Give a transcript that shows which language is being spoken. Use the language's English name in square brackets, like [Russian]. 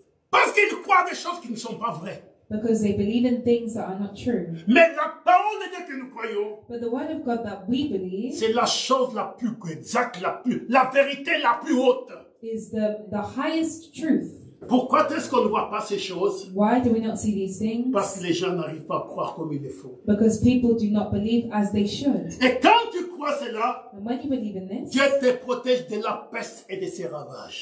[French] Parce qu'ils croient des choses qui ne sont pas vraies. [English] Because they believe in things that are not true. [French] Mais la parole de Dieu que nous croyons, [English] but the word of God that we believe, [French] c'est la chose la plus exacte, la vérité la plus haute. [English] Is the highest truth. [French] Pourquoi est-ce qu'on ne voit pas ces choses? [English] Why do we not see these things? [French] Parce que les gens n'arrivent pas à croire comme il le faut. [English] Because people do not believe as they should. [French] Et quand tu crois, crois cela, [English] when you believe in this, [French] Dieu te protège de la peste et de ses ravages.